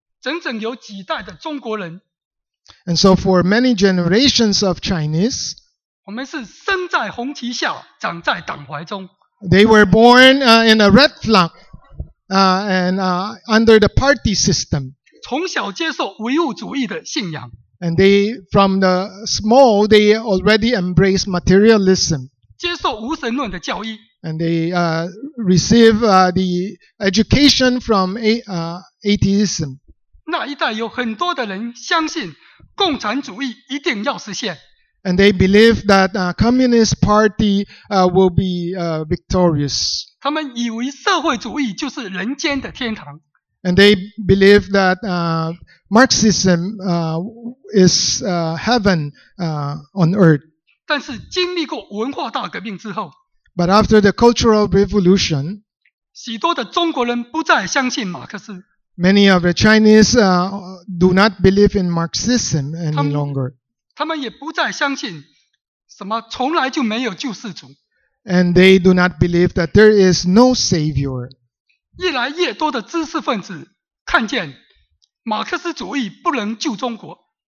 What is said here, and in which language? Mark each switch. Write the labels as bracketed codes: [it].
[zh] 整整有几代的中国人。 [en] And so for many generations of Chinese, [zh] 我们是生在红旗下，长在党怀中。 [en] They were born in a red flag, under the party system. [zh] 从小接受唯物主义的信仰。 [en] And they, from the small, they already embraced materialism. [zh] 接受无神论的教义。 [en] And they receive the education from atheism. [zh] 那一代有很多的人相信共产主义一定要实现。 [en] And they believe that the Communist Party will be victorious. [zh] 他们以为社会主义就是人间的天堂。 [en] And they believe that Marxism is heaven on earth. [zh] 但是经历过文化大革命之后。 [en] But after the Cultural Revolution, [zh] 许多的中国人不再相信马克思。 [en] Many of the Chinese do not believe in Marxism any longer. [zh] 他们也不再相信什么从来就没有救世主。 [en] And they do not believe that there is no savior. [zh] 越来越多的知识分子看见马克思主义不能救中国。